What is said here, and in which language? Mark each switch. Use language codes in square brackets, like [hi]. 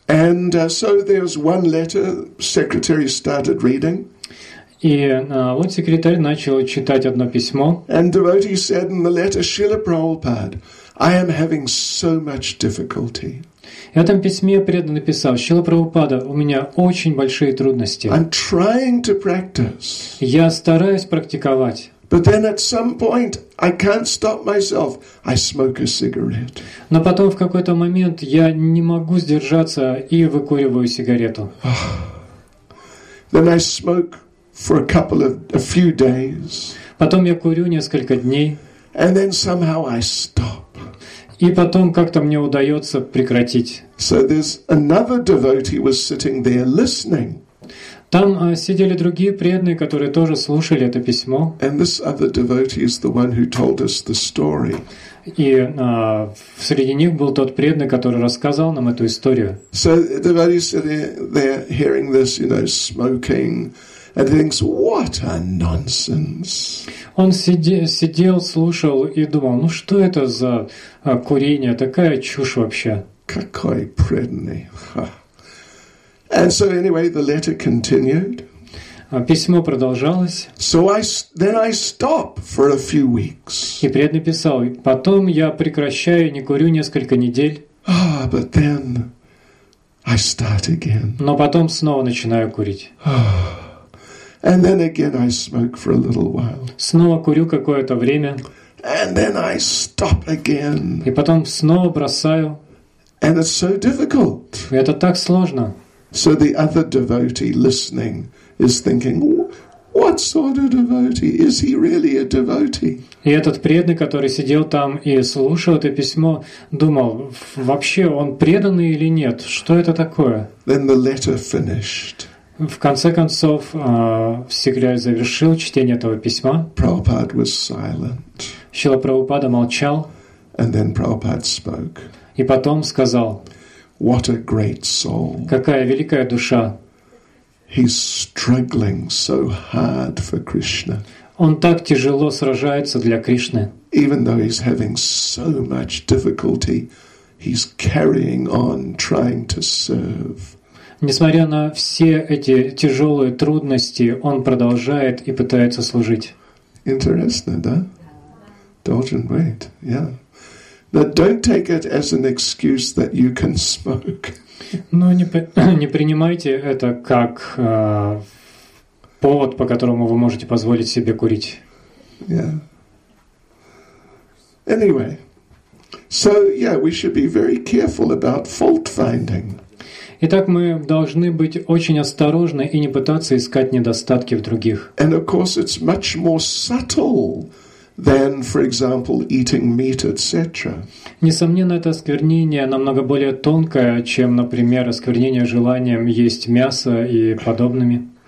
[en] And so there's one letter secretary started reading. [ru] И вот секретарь начал читать одно письмо. [en] And devotee said in the letter, Shrila Prabhupada, I am having so much difficulty. [ru] В этом письме преданный писал, Шрила Прабхупада, у меня очень большие трудности. [en] I'm trying to practice. [ru] Я стараюсь практиковать. [en] But then at some point I can't stop myself. I smoke a cigarette. [ru] Но потом в какой-то момент я не могу сдержаться и выкуриваю сигарету. [en] Then I smoke for a few days. [ru] Потом я курю несколько дней. [en] And then somehow I stop. [ru] И потом как-то мне удается прекратить. [en] So there's another devotee was sitting there listening. [ru] Там сидели другие преданные, которые тоже слушали это письмо. [en] And this other devotee is the one who told us the story. [ru] И среди них был тот преданный, который рассказал нам эту историю. [en] So the devotee said they're hearing this, you know, smoking. And thinks, what a nonsense. [ru] Он сидел, слушал и думал, ну что это за курение, такая чушь вообще. Какой преданный. [en] And so anyway, the letter continued. [ru] Письмо продолжалось. [en] So I stop for a few weeks. [ru] И преданный писал, потом я прекращаю, не курю несколько недель. [en] Ah, but then I start again. [ru] Но потом снова начинаю курить. [en] And then again I smoke for a little while. [ru] Снова курю какое-то время. [en] And then I stop again. [ru] И потом снова бросаю. [en] And it's so difficult. [ru] И это так сложно. [en] So the other devotee listening is thinking, what sort of devotee? Is he really a devotee? [ru] И этот преданный, который сидел там и слушал это письмо, думал, вообще он преданный или нет? Что это такое? [en] Then the letter finished. [ru] В конце концов, секретарь завершил чтение этого письма. [en] Prabhupada was silent. [ru] Шрила Прабхупада молчал. [en] And then Prabhupada spoke. [ru] И потом сказал, [en] what a great soul. [ru] Какая великая душа. [en] He's struggling so hard for Krishna. [ru] Он так тяжело сражается для Кришны. [en] Even though he's having so much difficulty he's carrying on trying to serve. [ru] Несмотря на все эти тяжелые трудности, он продолжает и пытается служить. Интересно, да? Должен быть, yeah. [en] But don't take it as an excuse that you can smoke. [ru] Ну, не принимайте это как повод, по которому вы можете позволить себе курить. [en] Yeah. Anyway, so yeah, we should be very careful about fault finding. [ru] Итак, мы должны быть очень осторожны и не пытаться искать недостатки в других. [en] And of course, it's much more subtle than, for example, eating meat, etc. [ru] Несомненно, это осквернение намного более тонкое, чем, например, осквернение желанием есть мясо и подобными.